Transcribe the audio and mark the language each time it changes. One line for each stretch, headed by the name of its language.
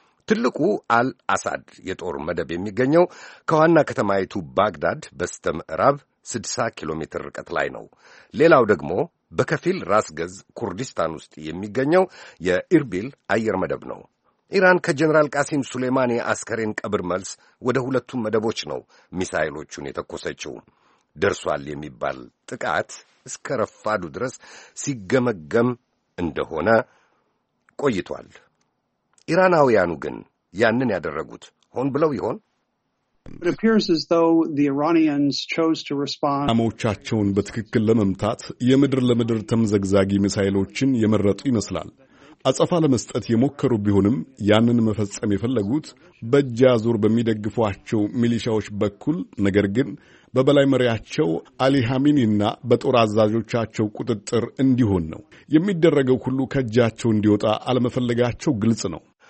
Amharic: ትልቁ አልአሳድ የጦር መደብ የሚገኘው ከዋና ከተማይቱ ባግዳድ በስተ ምዕራብ 60 ኪሎ ሜትር ርቀት ላይ ነው። ሌላው ደግሞ በከፊል ራስ ገዝ ኩርዲስታን ውስጥ የሚገኘው የኢርቢል አየር መደብ ነው። ኢራን ከጀነራል ቃሲም ሱሌማኒ አስከሬን ቀብር መልስ ወደ ሁለቱም መደቦች ነው ሚሳይሎቹን የተኮሰችው። ደርሷል የሚባል ጥቃት እስከ ረፋዱ ድረስ ሲገመገም እንደሆነ ቆይቷል። ኢራናውያኑ ግን ያንን ያደረጉት ሆን ብለው ይሆን?
English: It appears as though the Iranians chose to respond
Amharic: አሞቻቸውን በትክክል ለመምታት የምድር ለምድር ተምዘግዛጊ ሚሳይሎችን የመረጡ ይመስላል። አጸፋ ለመስጠት የሞከሩ ቢሆንም ያንን መፈጸም የፈለጉት በእጅ አዙር በሚደግፏቸው ሚሊሻዎች በኩል፣ ነገር ግን በበላይ መሪያቸው አሊ ሐሚኒና በጦር አዛዦቻቸው ቁጥጥር እንዲሆን ነው። የሚደረገው ሁሉ ከእጃቸው እንዲወጣ አለመፈለጋቸው ግልጽ ነው።